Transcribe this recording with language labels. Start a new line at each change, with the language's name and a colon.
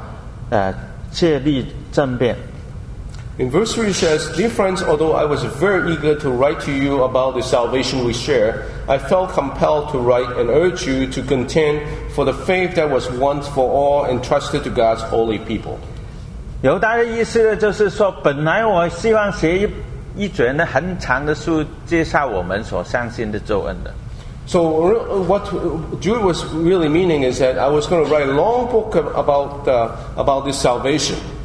Chinese: 第三节他说：“亲爱的弟兄啊，我想尽心写信给你们，论我们所同得的咒恩的时候，就不得不写信劝你们，要为从前一次教父圣徒的正道，切立正辩。”
English: In verse 3 says, Dear friends, although I was very eager to write to you about the salvation we share, I felt compelled to write and urge you to contend for the faith that was once for all entrusted to God's holy people.
Chinese: 犹大的意思就是说，本来我希望写一卷很长的书，介绍我们所相信的咒恩的。
English: So what Jude was really meaning is that I was going to write a long book about this salvation.